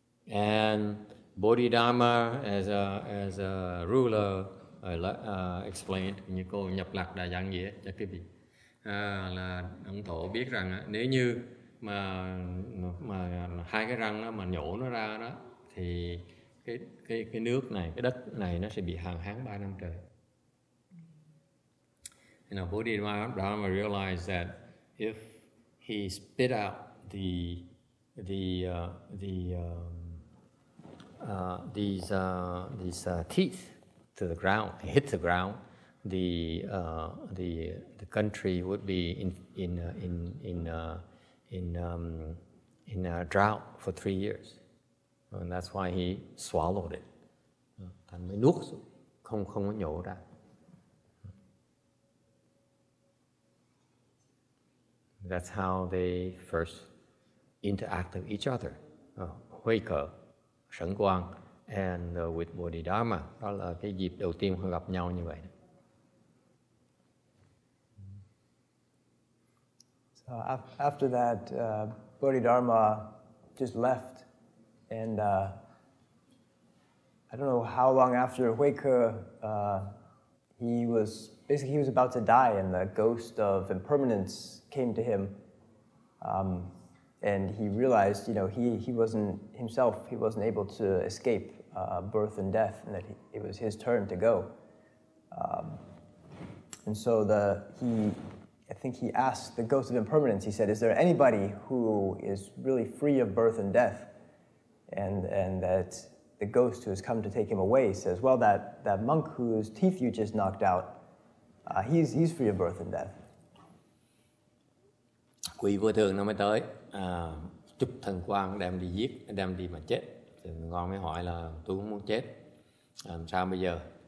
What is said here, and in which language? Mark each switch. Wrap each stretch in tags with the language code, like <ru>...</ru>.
<en>And Bodhidharma, as a ruler, explained,</en> <vi>như cô nhập lạc đại giảng nghĩa cho quý vị, là ông tổ biết rằng nếu như mà hai cái răng mà nhổ nó ra đó, thì cái nước này, cái đất này nó sẽ bị hạn hán 3 năm trời.</vi> <en>Now, Bodhidharma realized that if he spit out these teeth to the ground, hit the ground, the country would be in a drought for 3 years, and that's why he swallowed it.</en> <vi>Thành mới nuốt xuống, không có nhổ ra.</vi> <en>That's how they first interact with each other. Huệ Cơ, Sẩn Quang, and with Bodhidharma.</en> <vi>Đó là cái dịp đầu tiên họ gặp nhau như vậy.</vi> <en>So after that, Bodhidharma just left. And I don't know how long after Huệ Cơ, he was about to die, and the ghost of impermanence came to him. And he realized, you know, he wasn't himself, he wasn't able to escape birth and death, and that it was his turn to go. And so I think he asked the ghost of impermanence, he said, is there anybody who is really free of birth and death? And that the ghost who has come to take him away says, well, that monk whose teeth you just knocked out, he's free of birth and death.</en> <vi>Quỷ vô thường nó mới tới, chụp thần quang đem đi giết, đem đi mà chết. Thì ngon mới hỏi là tôi không muốn chết, làm sao bây giờ?</vi>